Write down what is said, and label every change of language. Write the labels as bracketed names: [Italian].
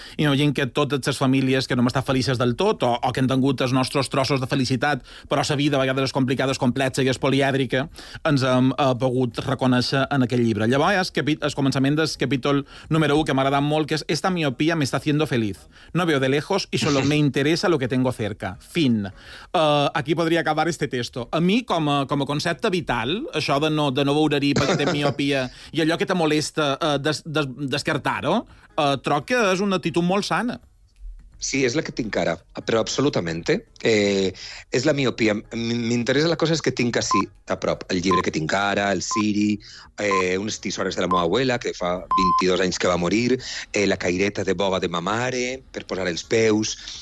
[Catalan] I no veient que totes les famílies que no m'estan felices del tot o que han tingut els nostres trossos de felicitat, però la vida a vegades és complicada, és complexa i és polièdrica, ens hem pogut reconèixer en aquest llibre. Llavors, el començament del capítol número 1, que m'ha agradat molt, que és [Spanish] «Esta miopia me está haciendo feliz. No veo de lejos y solo me interesa lo que tengo cerca». Fin. Aquí podria acabar este texto. [Catalan] A mi, com a concepte vital, això de no veure-hi perquè té miopia i allò que te molesta descartar-ho, troc que és una actitud molt sana. Sí, és la que tinc ara, però absolutament. És la miopia. M'interessa la cosa és que tinc així a prop. El llibre que tinc ara, el Siri, unes tisores de la meva abuela, que fa 22 anys que va morir, la caireta de boga de ma mare, per posar els peus...